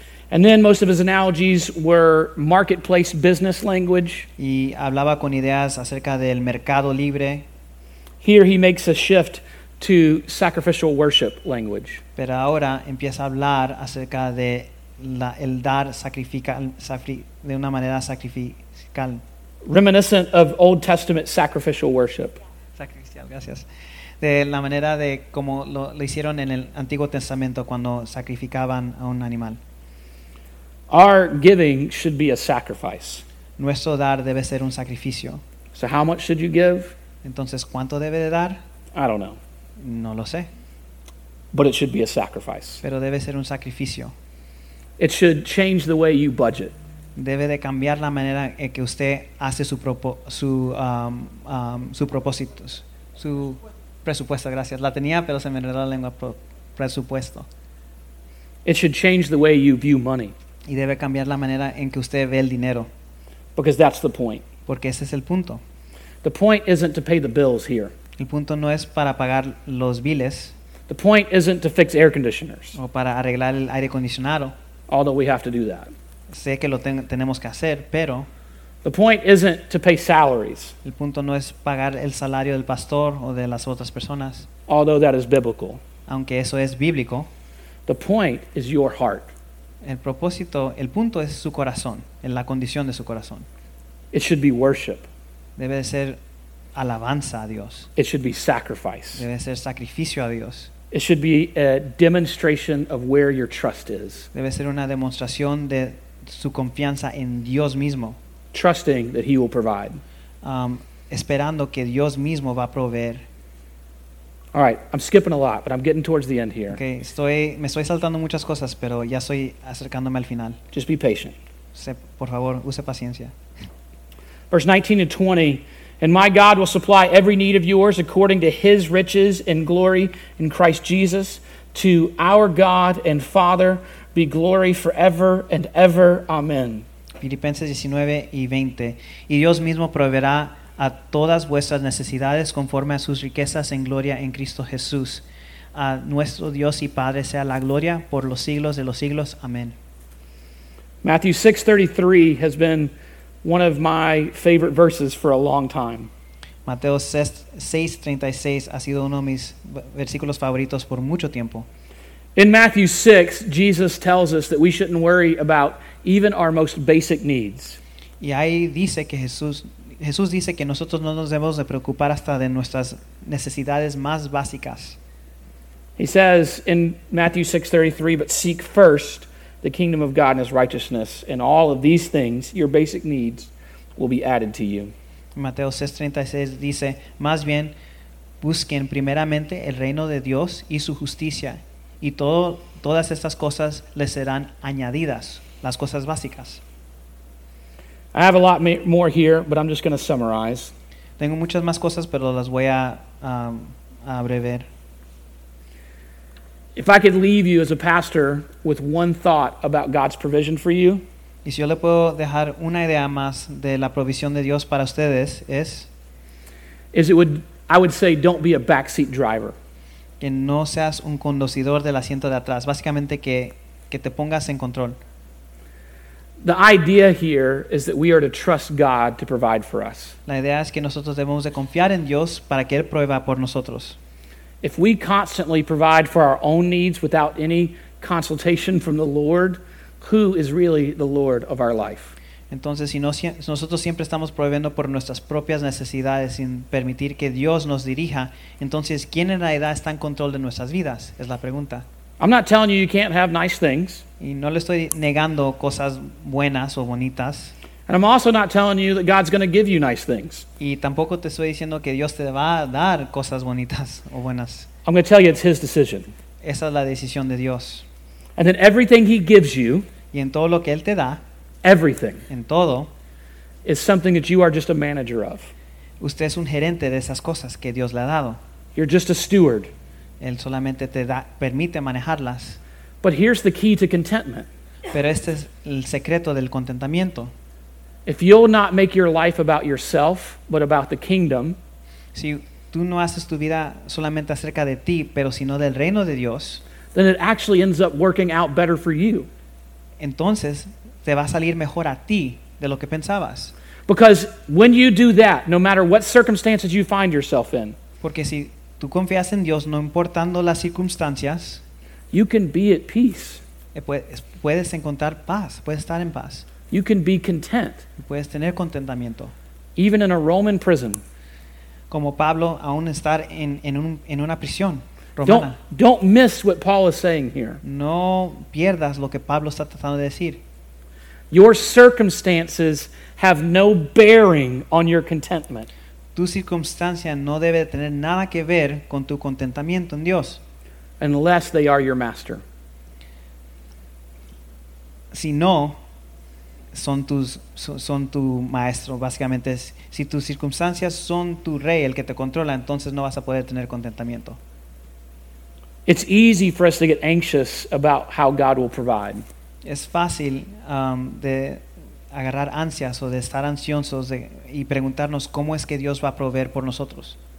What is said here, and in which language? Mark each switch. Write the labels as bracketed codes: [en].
[en] And then most of his analogies were marketplace business language. [es] Y hablaba con ideas acerca del mercado libre. [en] Here he makes a shift to sacrificial worship language. [es] Pero ahora empieza a hablar acerca de el dar de una manera sacrificial. [en] Reminiscent of Old Testament sacrificial worship. [es] Sacrificial, gracias. De la manera de como lo hicieron en el Antiguo Testamento cuando sacrificaban a un animal. [en] Our giving should be a sacrifice. [es] Nuestro dar debe ser un sacrificio. [en] So how much should you give? [es] Entonces, ¿cuánto debe de dar? [en] I don't know. [es] No lo sé. [en] But it should be a sacrifice. [es] Pero debe ser un sacrificio. [en] It should change the way you budget. [es] Debe de cambiar la manera en que usted hace su propósito, su presupuesto. Gracias. La tenía, pero se me enredó la lengua. Presupuesto. [en] It should change the way you view money. [es] Y debe cambiar la manera en que usted ve el dinero. [en] Because that's the point. [es] Porque ese es el punto. [en] The point isn't to pay the bills here. [es] El punto no es para pagar los biles. [en] The point isn't to fix air conditioners. [es] O para arreglar el aire acondicionado. [en] Although we have to do that. [es] Sé que lo tenemos que hacer, pero... [en] The point isn't to pay salaries. [es] El punto no es pagar el salario del pastor o de las otras personas. [en] Although that is biblical. [es] Aunque eso es bíblico. [en] The point is your heart. [es] El propósito, el punto es su corazón, en la condición de su corazón. [en] It should be worship. [es] Debe de ser alabanza a Dios. [en] It should be sacrifice. [es] Debe ser sacrificio a Dios. [en] It should be a demonstration of where your trust is. [es] Debe ser una demostración de su confianza en Dios mismo. [en] Trusting that he will provide. [es] Esperando que Dios mismo va a proveer. [en] All right, I'm skipping a lot, but I'm getting towards the end here. [es] Okay, me estoy saltando muchas cosas, pero ya estoy acercándome al final. [en] Just be patient. [es] Por favor, use paciencia. [en] Verse 19 and 20, and my God will supply every need of yours according to his riches and glory in Christ Jesus. To our God and Father be glory forever and ever. Amen. [es] Filipenses 19 y 20, y Dios mismo proveerá a todas vuestras necesidades conforme a sus riquezas en gloria en Cristo Jesús. A nuestro Dios y Padre sea la gloria por los siglos de los siglos. Amén. [en] Matthew 6:33 has been one of my favorite verses for a long time. [es] Mateo 6:36 ha sido uno de mis versículos favoritos por mucho tiempo. [en] In Matthew 6, Jesus tells us that we shouldn't worry about even our most basic needs. [es] Y ahí dice que Jesús dice que nosotros no nos debemos de preocupar hasta de nuestras necesidades más básicas. [en] He says in Matthew 6:33, but seek first the kingdom of God and his righteousness, and all of these things, your basic needs, will be added to you. [es] Mateo 6:36 dice, más bien busquen primeramente el reino de Dios y su justicia, y todas estas cosas les serán añadidas, las cosas básicas. [en] I have a lot more here, but I'm just going to summarize. [es] Tengo muchas más cosas, pero las voy a abreviar. [en] If I could leave you as a pastor with one thought about God's provision for you, [es] y si yo le puedo dejar una idea más de la provisión de Dios para ustedes [en] is it would I would say don't be a backseat driver. [es] Que no seas un conducidor del asiento de atrás, básicamente que te pongas en control. [en] The idea here is that we are to trust God to provide for us. [es] La idea es que nosotros debemos de confiar en Dios para que él provea por nosotros. [en] If we constantly provide for our own needs without any consultation from the Lord, who is really the Lord of our life? [es] Entonces, si nosotros siempre estamos proveyendo por nuestras propias necesidades sin permitir que Dios nos dirija, entonces, ¿quién en realidad está en control de nuestras vidas? Es la pregunta. [en] I'm not telling you can't have nice things. [es] Y no le estoy negando cosas buenas o bonitas. [en] And I'm also not telling you that God's going to give you nice things. [es] Y tampoco te estoy diciendo que Dios te va a dar cosas bonitas o buenas. [en] I'm going to tell you it's his decision. [es] Esa es la decisión de Dios. [en] And then everything he gives you, [es] y en todo lo que él te da, [en] everything, [es] en todo, [en] is something that you are just a manager of. [es] Usted es un gerente de esas cosas que Dios le ha dado. [en] You're just a steward. [es] Él solamente te da, permite manejarlas. [en] But here's the key to contentment. [es] Pero este es el secreto del contentamiento. [en] If you'll not make your life about yourself, but about the kingdom. [es] Si tú no haces tu vida solamente acerca de ti, pero sino del reino de Dios. [en] Then it actually ends up working out better for you. [es] Entonces, te va a salir mejor a ti de lo que pensabas. [en] Because when you do that, no matter what circumstances you find yourself in, [es] porque si tú confías en Dios, no importando las circunstancias, [en] you can be at peace. [es] Puedes encontrar paz, puedes estar en paz. [en] You can be content. [es] Puedes tener contentamiento. [en] Even in a Roman prison. [es] Como Pablo, aún estar en una prisión. [en] Don't miss what Paul is saying here. [es] No pierdas lo que Pablo está tratando de decir. [en] Your circumstances have no bearing on your contentment. [es] Tu circunstancia no debe tener nada que ver con tu contentamiento en Dios. [en] Unless they are your master. [es] Si no, son tu maestro, básicamente. Si tus circunstancias son tu rey, el que te controla, entonces no vas a poder tener contentamiento. [en] It's easy for us to get anxious about how God will provide. [es] Es fácil de agarrar ansias o de estar ansiosos y preguntarnos cómo es que Dios va a proveer por nosotros.